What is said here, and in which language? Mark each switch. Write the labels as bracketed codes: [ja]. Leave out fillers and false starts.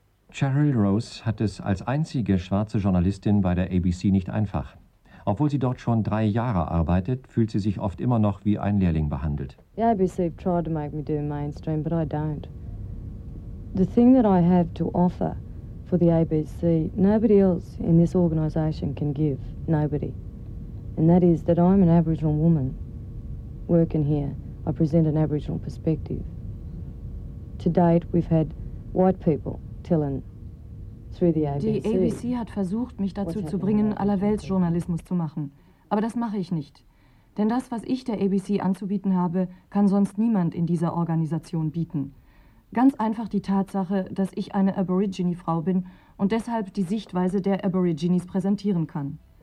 [de] Cheryl Rose hat es als einzige schwarze Journalistin bei der ABC nicht einfach. Obwohl sie dort schon 3 Jahre arbeitet, fühlt sie sich oft immer noch wie ein Lehrling behandelt. [en] The IBC tried to make me do mainstream, but I don't. The thing that I have to offer for the ABC, nobody else in this organisation can give, nobody. And that is that I'm an Aboriginal woman working here. I present an Aboriginal perspective. To date, we've had white people telling through the ABC. [de] Die ABC hat versucht, mich dazu zu bringen, aller Welt Journalismus zu machen. Aber das mache ich nicht. Denn das, was ich der ABC anzubieten habe, kann sonst niemand in dieser Organisation bieten. Ganz einfach die Tatsache, dass ich eine Aborigine-Frau bin und deshalb die Sichtweise der Aborigines präsentieren kann.